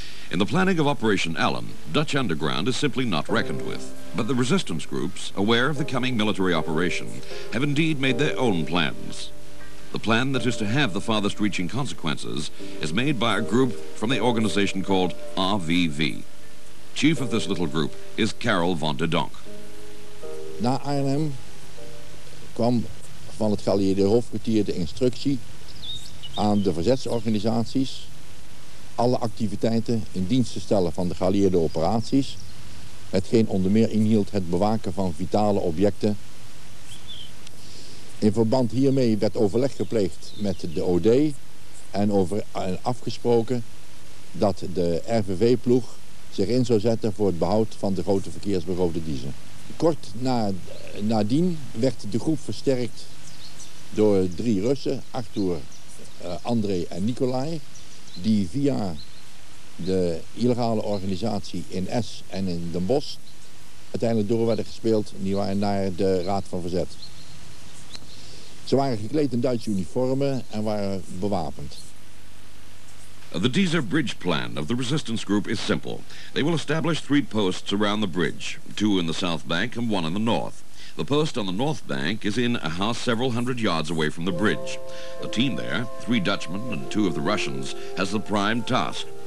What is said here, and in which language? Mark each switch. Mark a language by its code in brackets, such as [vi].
[en] In the planning of Operation Allen, Dutch underground is simply not reckoned with. But the resistance groups, aware of the coming military operation, have indeed made their own plans. The plan that is to have the farthest reaching consequences is made by a group from the organization called RVV. Chief of this little group is Karel van der Donk. [nl] Na Arnhem kwam van het geallieerde hoofdkwartier de instructie aan de verzetsorganisaties alle activiteiten in dienst te stellen van de geallieerde operaties, hetgeen onder meer inhield het bewaken van vitale objecten. In verband hiermee werd overleg gepleegd met de OD en afgesproken dat de RVV-ploeg zich in zou zetten voor het behoud van de grote verkeersberoofde Diezen. Kort nadien werd de groep versterkt door drie Russen, Arthur, André en Nicolai, die via de illegale organisatie in S en in Den Bosch uiteindelijk door werden gespeeld naar de Raad van Verzet. Ze waren gekleed in Duitse uniformen en waren bewapend. [en] The Dieser Bridge plan of the resistance group is simple. They will establish three posts around the bridge, two in the south bank and one in the north. The post on the north bank is in a house several hundred yards away from the bridge. The team there, three Dutchmen and two of the Russians, has the prime task.